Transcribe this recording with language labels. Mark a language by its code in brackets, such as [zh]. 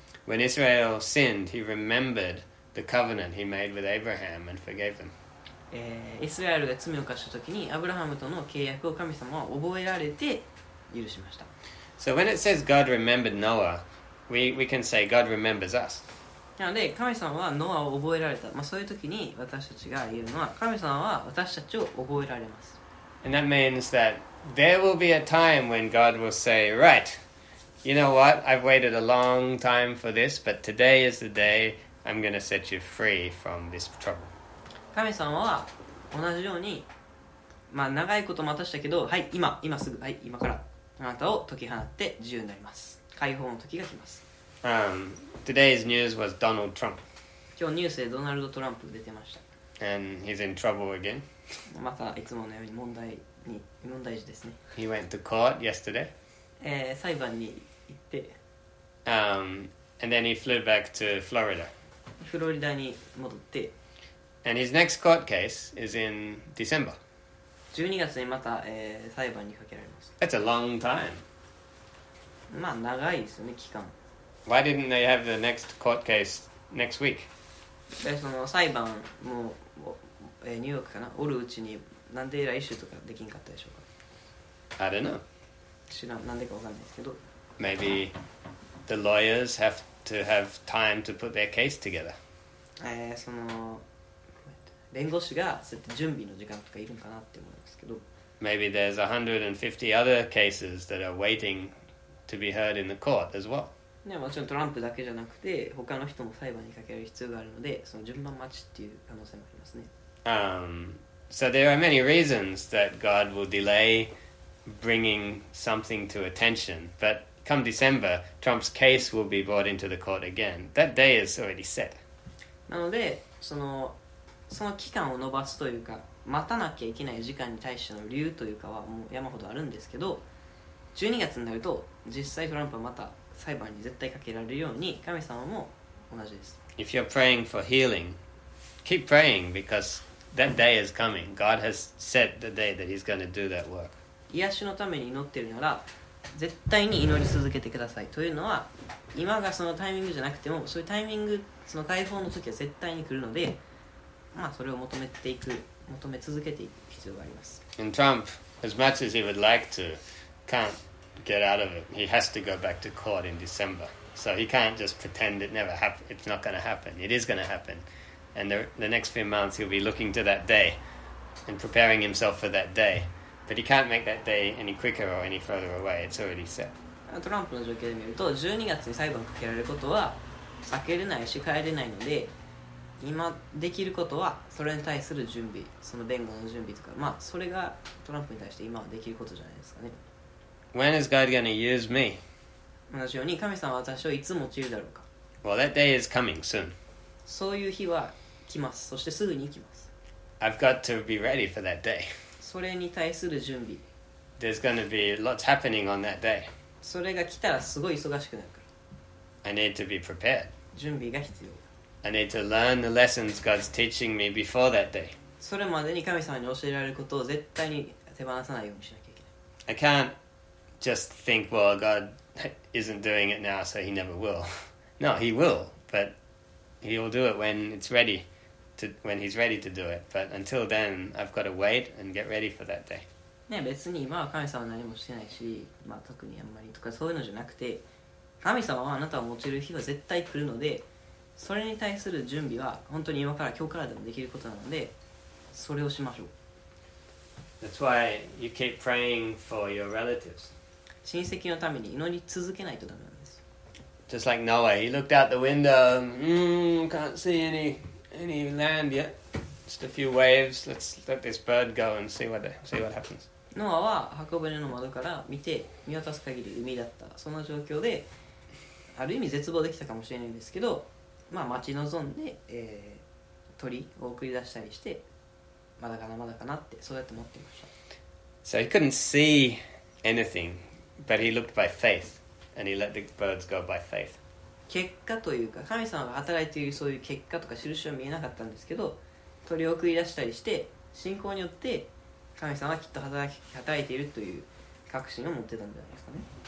[en] When Israel sinned, he remembered the covenant he made with Abraham and forgave them. [ja] イスラエルが罪を犯したときに、アブラハムとの契約を神様は覚えられて許しました。 [en] So when it says God remembered Noah,We can say God remembers us. [ja] なので神様はノアを覚えられた。まあそういう時に私たちが言うのは神様は私たちを覚えられます。 [en] And that means that there will be a time when God will say, right, you know what? I've waited a long time for this, but today is the day I'm going to set you free from this trouble. [ja] 神様は同じように、まあ長いこと待たしたけど、はい、今すぐ、はい、今からあなたを解き放って自由になります。解放の時が来ます。 [en] Today's news was Donald Trump. [ja] 今日ニュースでドナルド・トランプ出てました。 [en] And he's in trouble again. [ja] またいつものように問題に問題児ですね。 [en] He went to court yesterday. [ja] 裁判に行って。 [en] And then he flew back to Florida. [ja] フロリダに戻って。 [en] And his next court case is in December. [ja] 12月にまた、裁判にかけられます。 [en] That's a long time. [ja] まあ長いですよね期間。 [en] Why didn't they have the next court case next week? [ja] その裁判も、ニューヨークかなおるうちになんで来週とかできんかったでしょうか。 [en] I don't know. [ja] 知らん、なんでかわかんないですけど。 [en] Maybe the lawyers have to have time to put their case together. [ja] その弁護士がそうやって準備の時間とかいるんかなって思いますけど。 [en] Maybe there's 150 other cases that are waiting to be heard in the court as well. [ja] ね、もちろんトランプだけじゃなくて他の人も裁判にかける必要があるのでその順番待ちっていう可能性もありますね。 [en] So there are many reasons that God will delay bringing something to attention. But come December, Trump's case will be brought into the court again. That day is already set. [ja] なのでその期間を延ばすというか待たなきゃいけない時間に対しての理由というかはもう山ほどあるんですけど、12月になると実際トランプはまた裁判に絶対かけられるように神様も同じです。 [en] If you're praying for healing, keep praying because that day is coming. God has set the day that he's going to do that work. [ja] 癒しのために祈ってるなら絶対に祈り続けてください。というのは今がそのタイミングじゃなくてもそういうタイミング、その解放の時は絶対に来るので、まあそれを求めていく、求め続けていく必要があります。 [en] And Trump, as much as he would like to, can'tget out of it. He has to go back to court in December. So he can't just pretend it never happened. It's not going to happen. It is going to happen. And the next few months he'll be looking to that day and preparing himself for that day. But he can't make that day any quicker or any further away. It's already set. [ja] トランプの状況で見ると12月に裁判をかけられることは避けれないし変えれないので今できることはそれに対する準備、その弁護の準備とか、まあそれがトランプに対して今できることじゃないですかね。 [en] When is God going to use me? [ja] 同じように神様は私をいつ用いるだろうか。 [en] Well, that day is coming soon. [ja] そういう日は来ます。そしてすぐに来ます。 [en] I've got to be ready for that day. [ja] それに対する準備。 [en] There's going to be lots happening on that day. [ja] それが来たらすごい忙しくなるから。 [en] I need to be prepared. [ja] 準備が必要。 [en] I need to learn the lessons God's teaching me before that day. [ja] それまでに神様に教えられることを絶対に手放さないようにしなきゃいけない。 [en] I can't. Just think, well, God isn't doing it now, so he never will. No, he will, but he will do it when he's ready to do it. But until then, I've got to wait and get ready for that day. [ja] ね、別に今は神様は何もしてないし、まあ特にあんまりとかそういうのじゃなくて、神様はあなたを用いる日は絶対来るので、それに対する準備は本当に今から今日からでもできることなので、それをしましょう。 [en] That's why you keep praying for your relatives. [ja] 親戚のために祈り続けないとダメなんです。 [en] Just like Noah, he looked out the window. Can't see any land yet. Just a few waves. Let's let this bird go and see what happens. [ja] ノアは箱舟の窓から見て見渡す限り海だった。そんな状況で、ある意味絶望できたかもしれないんですけど、まあ待ち望んで、鳥を送り出したりして、まだかなまだかなってそうやって思っていました。 [en] So he couldn't see anything. But he looked by faith, and he let the birds go by faith. [ja] 結果というか、神様が働いているそういう結果とか印は見えなかったんですけど、鳥を送り出したりして、信仰によって神様はきっと働いているという確信を持ってたんじゃないですかね。